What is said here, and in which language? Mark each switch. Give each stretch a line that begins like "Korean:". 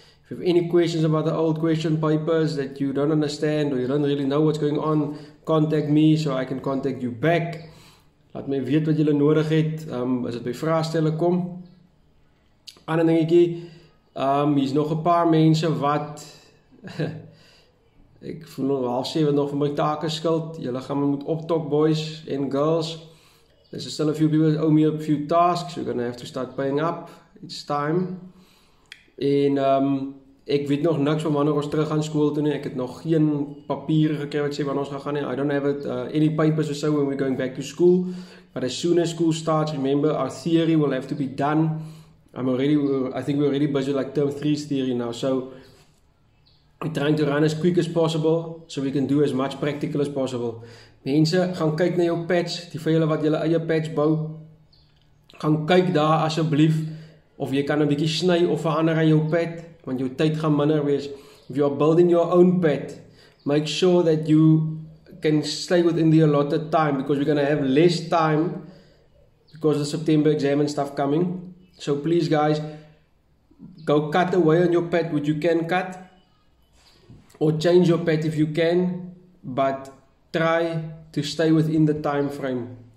English: If you have any questions about the old question papers that you don't understand or you don't really know what's going on, contact me so I can contact you back.
Afrikaans: Laat my weet wat julle nodig het, as dit by vraestelle kom. Ander dingetjie, hier's nog 'n paar mense wat ek voel nog half sewe nog vir my take skuld. Julle gaan my moet optok,
English: boys and girls. There's still a few people that owe me a few tasks, so you're gonna have to start paying up. It's time.
Afrikaans: En ek weet nog niks van wanneer ons terug gaan skool toe nie. Ek het nog geen papiere gekry wat sê wanneer ons gaan gaan nie.
English: I don't have it, any papers or so when we're going back to school. But as soon as school starts, remember, our theory will have to be done. I think we're already busy like term 3's theory now. So we're trying to run as quick as possible so we can do as much practical as possible.
Afrikaans: Mense, gaan kyk na jou patch, die vir julle wat julle eie patch bou. Gaan kyk daar asseblief. Of jy kan 'n bietjie sny of verander aan jou pad, want jou tyd gaan minder wees.
English: If you are building your own pad, make sure that you can stay within the allotted time, because we're going to have less time because the September exam and stuff coming. So please guys, go cut away on your pad what you can cut, or change your pad if you can, but try to stay within the time frame.